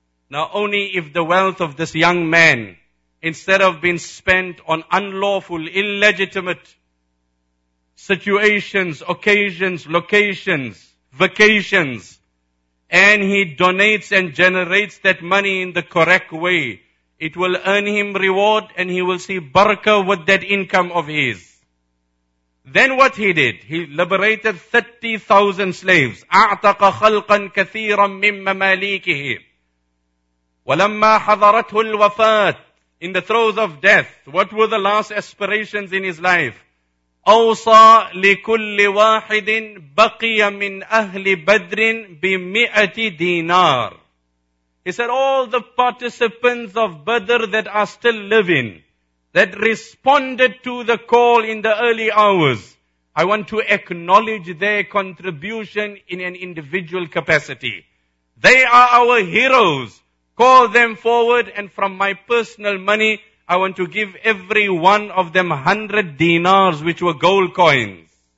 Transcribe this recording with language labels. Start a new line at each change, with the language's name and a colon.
English: Now only if the wealth of this young man, instead of being spent on unlawful, illegitimate situations, occasions, locations, vacations, and he donates and generates that money in the correct way, it will earn him reward and he will see barakah with that income of his. Then what he did? He liberated 30,000 slaves.
Arabic: أعتق خلقا كثيرا من مماليكه. ولما حضرته الوفاة.
English: In the throes of death. What were the last aspirations in his life?
Arabic: أوصى لكل واحد بقي من أهل بدر بمئة دينار.
English: He said all the participants of Badr that are still living, that responded to the call in the early hours, I want to acknowledge their contribution in an individual capacity. They are our heroes. Call them forward and from my personal money, I want to give every one of them 100 dinars, which were gold coins.